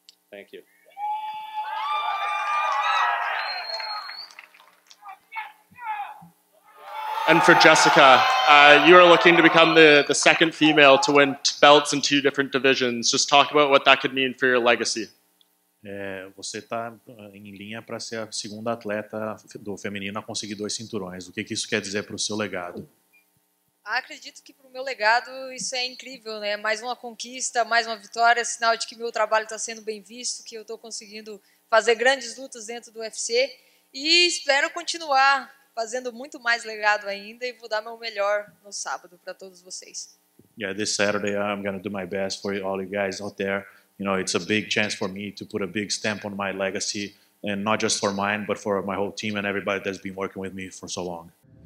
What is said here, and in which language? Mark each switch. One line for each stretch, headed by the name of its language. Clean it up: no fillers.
English: Thank you. And for Jessica, you are looking to become the second female to win belts in two different divisions. Just talk about what that could mean for your legacy.
Portuguese: Você está em linha para ser a segunda atleta do feminino a conseguir 2 cinturões. O que isso quer dizer para o seu legado? Acredito que para o meu legado isso é incrível, né? Mais uma conquista, mais uma vitória, sinal de que meu trabalho está sendo bem visto, que eu estou conseguindo fazer grandes lutas dentro do UFC e espero continuar fazendo muito mais legado ainda e vou dar meu melhor no sábado para todos vocês.
English: Yeah, this Saturday I'm going to do my best for all you guys out there. You know, it's a big chance for me to put a big stamp on my legacy, and not just for mine, but for my whole team and everybody that's been working with me for so long.